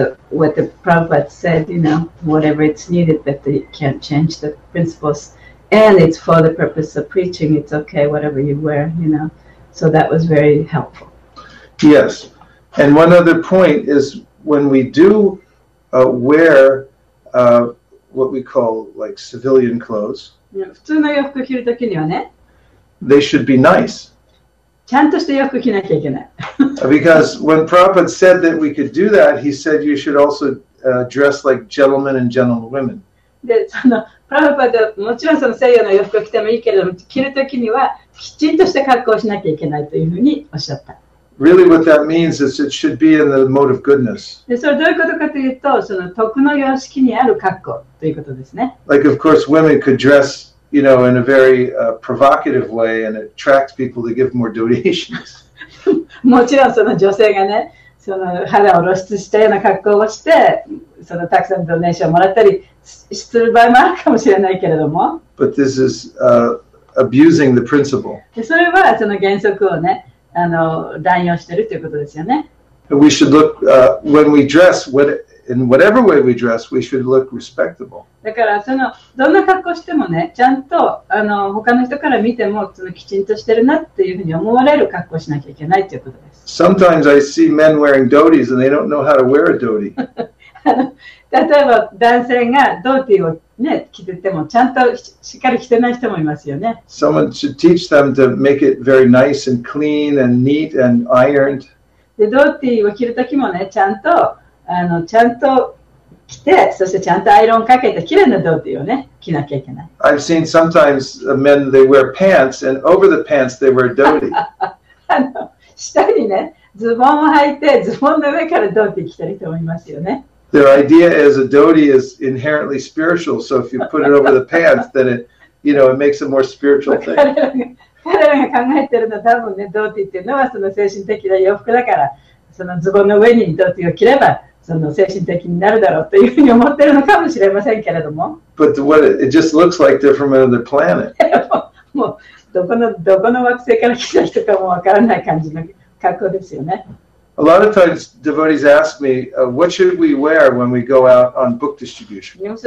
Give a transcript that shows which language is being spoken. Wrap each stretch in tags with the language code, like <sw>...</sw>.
<en>what the Prabhupada said, you know, whatever it's needed, but they can't change the principles. And it's for the purpose of preaching, it's okay, whatever you wear, you know. So that was very helpful. Yes. And one other point is when we do wear what we call like civilian clothes,</en> <ja>普通の洋服着るときにはね、</ja> <en>they should be nice.</en> <ja>ちゃんとした洋服着なきゃいけない。</ja> <en>Because when Prabhupada said that we could do that, he said you should also dress like gentlemen and gentlewomen.</en> <ja>で、Prabhupada もちろんその西洋の洋服を着てもいいけれども、着るときにはきちんとした格好をしなきゃいけないというふうにおっしゃった。</ja> <en>Really what that means is it should be in the mode of goodness.</en> <ja>で、それどういうことかというと、その徳の様式にある格好ということですね。</ja> <en>Like of course women could dress... You know, in a very provocative way, and it attracts people to give more donations.</en> <ja>もちろんその女性がね、その肌を露出したような格好をして、そのたくさんドネーションをもらったりする場合もあるかもしれないけれども。</ja> <en>But this is abusing the principle.</en> <ja>それはその原則をね、乱用してるということですよね。</ja> <en>We should look when we dress what. In whatever way we dress, we should look respectable.</en> <ja>だからそのどんな格好してもね、ちゃんと他の人から見てもそのきちんとしてるなっていうふうに思われる格好しなきゃいけないっていうことです。</ja> <en>Sometimes I see men wearing dhotis and they don't know how to wear a dhoti.</en> <ja>例えば男性がドーティーをね着ててもちゃんとしっかり着てない人もいますよね。</ja> <en>Someone should teach them to make it very nice and clean and neat and ironed.</en> <ja>で、ドーティーを着るときもね、ちゃんと、ちゃんと着て、そしてちゃんとアイロンかけて、綺麗なドーティーをね、着なきゃいけない。</ja> <en>I've seen sometimes men, they wear pants, and over the pants, they wear doti.</en> <ja>下にね、ズボンを履いて、ズボンの上からドーティー着たりと思いますよね。</ja> <en>Their idea is a doti is inherently spiritual, so if you put it over the pants, then it, you know, it makes a more spiritual thing.</en> <ja>彼らが考えてるのは多分ね、ドーティーっていうのはその精神的な洋服だから、そのズボンの上にドーティーを着れば、その精神的になるだろうというふうに思ってるのかもしれませんけれども。</ja> <en>But what it just looks like they're from another planet.</en> <ja>もうどこの惑星から来た人かもわからない感じの格好ですよね。</ja> <en>A lot of times devotees ask me, what should we wear when we go out on book distribution?</en>